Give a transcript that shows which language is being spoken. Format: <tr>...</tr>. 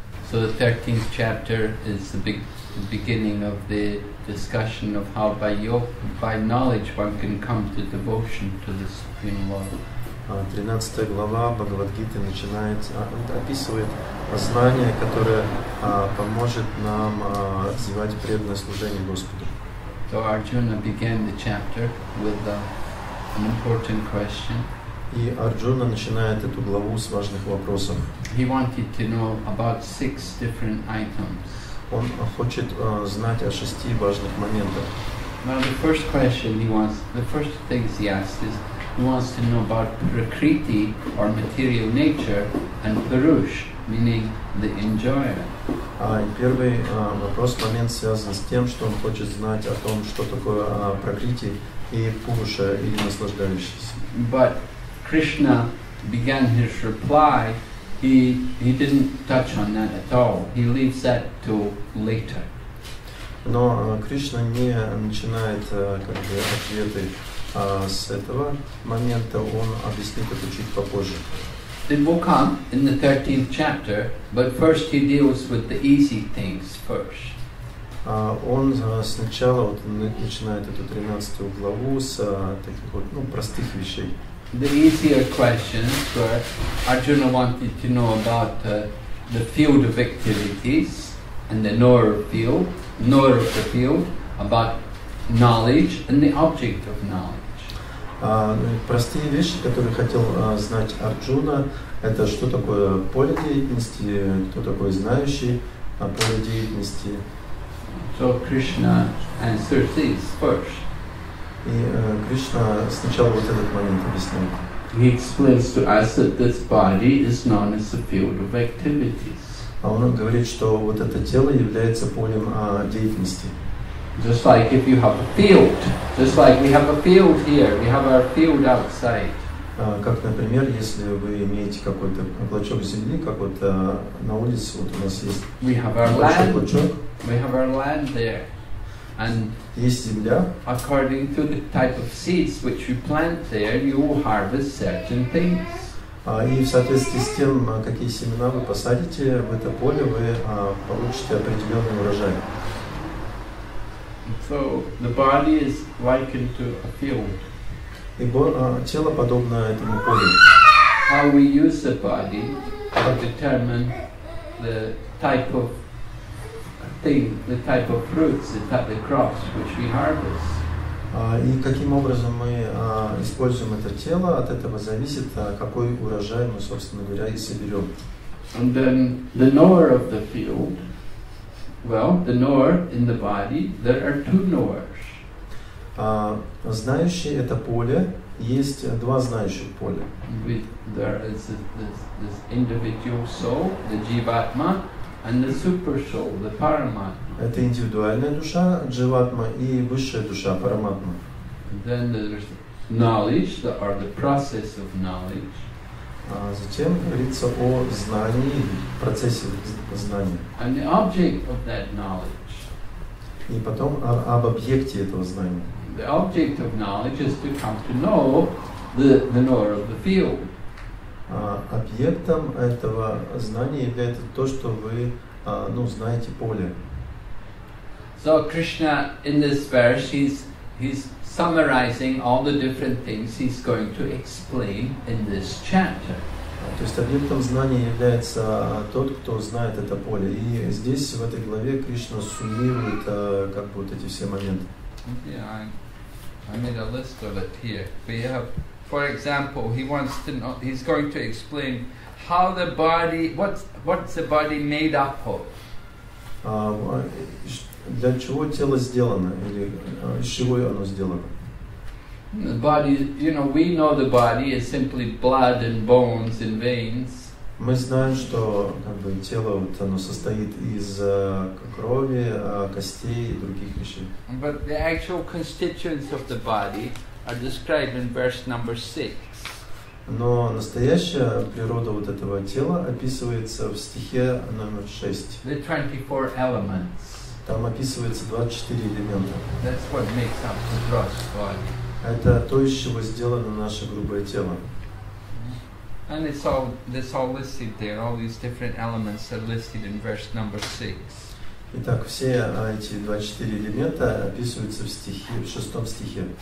<en>So the 13th chapter is the beginning of the discussion of how by knowledge one can come to devotion to the Supreme Lord.</en> <ru>13 глава Бхагавад-гиты начинается, описывает знание, которое поможет нам развивать преданное служение Господу.</ru> <en>So Arjuna began the chapter with an important question.</en> <ru>И Арджуна начинает эту главу с важных вопросов.</ru> <en>He wanted to know about six different items.</en> <ru>Он хочет знать о шести важных моментах.</ru> <en>Now the first question the first things he asked is, he wants to know about prakriti, or material nature, and purush, meaning the enjoyer.</en> <ru>Первый вопрос, момент связан с тем, что он хочет знать о том, что такое прокрити и пуруша, и наслаждающийся.</ru> <en>But Krishna began his reply, he didn't touch on that at all. He leaves that to later.</en> <ru>Но Кришна не начинает ответы с этого момента, он объяснит это чуть попозже.</ru> <en>It will come in the 13th chapter, but first he deals with the easy things first.</en> <ru>Он сначала начинает эту 13 главу с таких вот, простых вещей.</ru> <en>The easier questions were, Arjuna wanted to know about the field of activities and the knower of the field, about knowledge and the object of knowledge.</en> <ru>Простые вещи, которые хотел знать Арджуна, это что такое поле деятельности, кто такой знающий о поле деятельности.</ru> <en>So Krishna answers this first.</en> <ru>И Кришна сначала вот этот момент объясняет.</ru> <en>He explains to us that this body is known as a field of activities.</en> <ru>А он говорит, что вот это тело является полем деятельности.</ru> <en>Just like if you have a field, just like we have a field here, we have our field outside.</en> <ru>Как, например, если вы имеете какой-то клочок земли, как вот на улице вот у нас есть.</ru> <en>We have our land. We have our land there, and</en> <ru>есть земля.</ru> <en>According to the type of seeds which you plant there, you will harvest certain things.</en> <ru>И в соответствии с тем, какие семена вы посадите в это поле, вы получите определенный урожай.</ru> <en>So the body is likened to a field.</en> <ru>Тело подобно этому полю.</ru> <en>How we use the body to determine the type of thing, the type of fruits, the type of crops which we harvest.</en> <ru>И каким образом мы используем это тело, от этого зависит, какой урожай мы, собственно говоря, и соберем.</ru> <en>And then the knower of the field. Well, the knower in the body, there are two knowers.</en> <ru>Знающий это поле, есть два знающих поля.</ru> <en>There is this individual soul, the jivatma, and the super soul, the paramatma.</en> <ru>Это индивидуальная душа, дживатма, и высшая душа, параматма.</ru> <en>Then there's knowledge, or the process of knowledge.</en> <ru>Затем говорится о знании, процессе знания.</ru> <en>And the object of that knowledge.</en> <ru>И потом об объекте этого знания.</ru> <en>The object of knowledge is to come to know the knower of the field.</en> <ru>Объектом этого знания является то, что вы знаете поле.</ru> <en>So Krishna in this verse he's summarizing all the different things he's going to explain in this chapter.</en> <ru>То есть объектом знания является тот, кто знает это поле. И здесь, в этой главе, Кришна суммирует как бы вот эти все моменты.</ru> <en>Yeah, I made a list of it here. We have, for example, he wants to know, he's going to explain how the body, what's the body made up of?</en> <ru>Для чего тело сделано или из чего оно сделано?</ru> <en>The body, we know the body is simply blood and bones and veins.</en> <ru>Мы знаем, что как бы тело вот оно состоит из крови, костей и других вещей.</ru> <en>But the actual constituents of the body are described in verse number 6.</en> <ru>Но настоящая природа вот этого тела описывается в стихе номер 6.</ru> <en>The 24 elements.</en> <ru>Там описывается 24 элемента.</ru> <en>That's what makes up the gross body.</en> <ru>Это то, из чего сделано наше грубое тело.</ru> <en>And it's all this all listed there, all these different elements are listed in verse number 6.</en> <ru>Итак, все эти 24 элемента описываются в стихе, в шестом стихе.</ru>